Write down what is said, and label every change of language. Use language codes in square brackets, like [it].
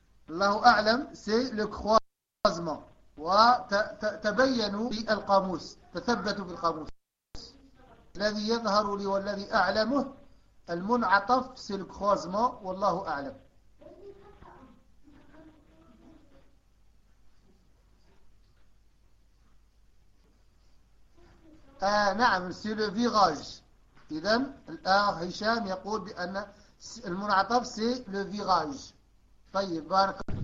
[ar] الله أعلم [fr] c'est le croisement. [ar] وتبين في القاموس، تثبت في القاموس. الذي يظهر لي والذي أعلمه المنعطف [fr] c'est le croisement [ar] والله أعلم. [fr] نعم c'est le virage. [ar] إذا الأخ هشام يقول بأن المنعطف [fr] سي لو فيراج. [ar] طيب بارك.